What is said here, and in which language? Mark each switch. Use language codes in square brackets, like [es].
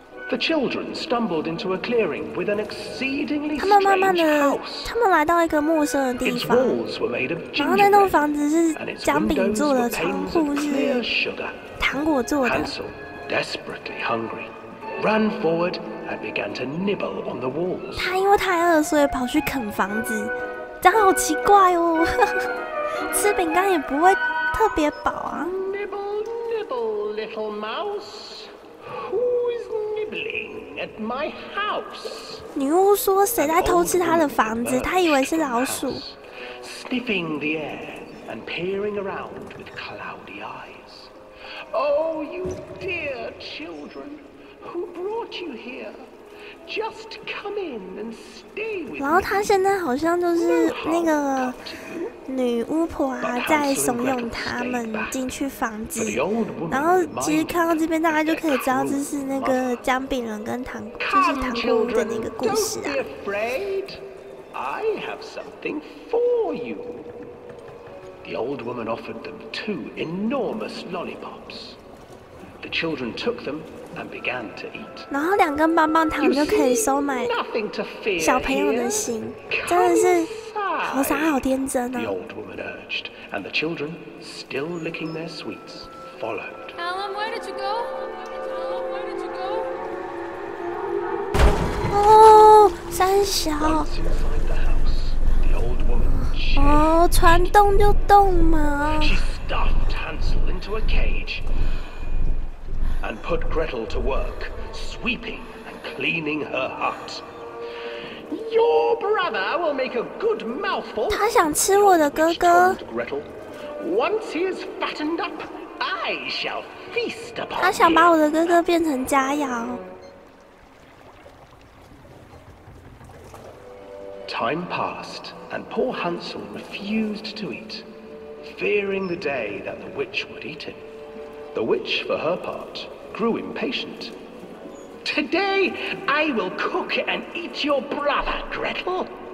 [en] The children stumbled into a clearing with an exceedingly strange house. Its walls were made of gingerbread, and its windows were panes of clear sugar. Hansel, desperately hungry, ran forward and began to nibble on the walls. [zh] 他因为太饿，所以跑去啃房子，这样好奇怪哦。吃饼干也不会特别饱啊。 [en] Nibble, nibble, little mouse. Who is nibbling at my house? [zh] 女巫说谁在偷吃她的房子？她以为是老鼠。 [en] Sniffing the air and peering around with cloudy eyes. Oh, you dear children. Who brought you here? Just come in and stay with me. [zh] 然后他现在好像就是那个女巫婆啊，在怂恿他们进去房子。然后其实看到这边，大家就可以知道这是那个姜饼人跟糖，就是糖果屋的那个故事啊。 [en] Don't be afraid. I have something for you. The old woman offered them two enormous lollipops. The children took them. And began to eat. [zh] 然后两根棒棒糖就可以收买小朋友的心，真的是好傻好天真啊！ [en] The old woman urged, and the children, still licking their sweets, followed. Callum, where did you go? Callum, where did you go? [zh] Oh, 三小。 [en] Once you find the house, the old woman. [zh] Oh, 船动就动嘛。 [en] She stuffed Hansel into a cage. And put Gretel to work, sweeping and cleaning her hut. Your brother will make a good mouthful. [zh] 他想吃我的哥哥。 [en] Gretel, once he is fattened up, I shall feast upon him. [zh] 他想把我的哥哥变成佳肴。 [en] Time passed, and poor Hansel refused to eat, fearing the day that the witch would eat him. The witch, for her part. Grew impatient. Today I will cook and eat your brother, Gretel.